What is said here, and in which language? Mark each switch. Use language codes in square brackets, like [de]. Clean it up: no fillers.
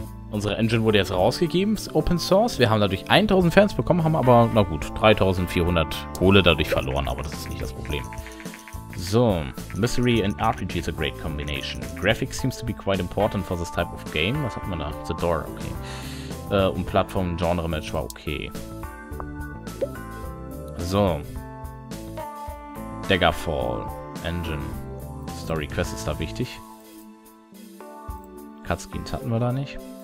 [de] Unsere Engine wurde jetzt rausgegeben, Open Source. Wir haben dadurch 1000 Fans bekommen, haben aber, na gut, 3400 Kohle dadurch verloren, aber das ist nicht das Problem. [en] So, Mystery and RPG is a great combination. Graphics seems to be quite important for this type of game. [de] Was hat man da? The Door, okay. Und Plattform-Genre-Match war okay. So. Daggerfall, Engine. Story Quest ist da wichtig. Cutscenes hatten wir da nicht.